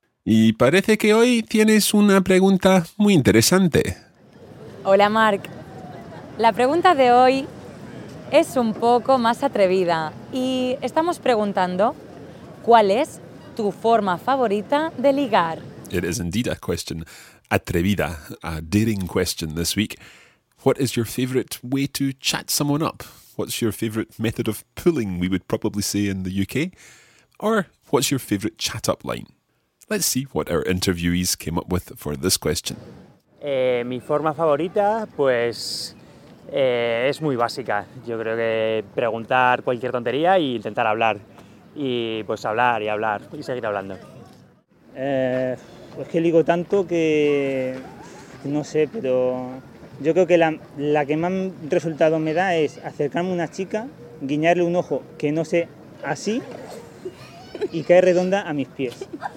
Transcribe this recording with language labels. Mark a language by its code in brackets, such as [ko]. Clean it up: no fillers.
[es] Y parece que hoy tienes una pregunta muy interesante. Hola, Marc. La pregunta de hoy es un poco más atrevida y estamos preguntando ¿cuál es tu forma favorita de ligar? [en] It is indeed a question, atrevida, a daring question this week. What is your favorite way to chat someone up? What's your favorite method of pulling, we would probably say in the UK? Or what's your favorite chat up line? Let's see what our interviewees came up with for this question. [es] Mi forma favorita, pues es muy básica. Yo creo que preguntar cualquier tontería e intentar hablar. Y pues hablar y hablar y seguir hablando. Pues que ligo tanto que no sé, pero yo creo que la que más resultado me da es acercarme a una chica, guiñarle un ojo que no sé así y cae redonda a mis pies.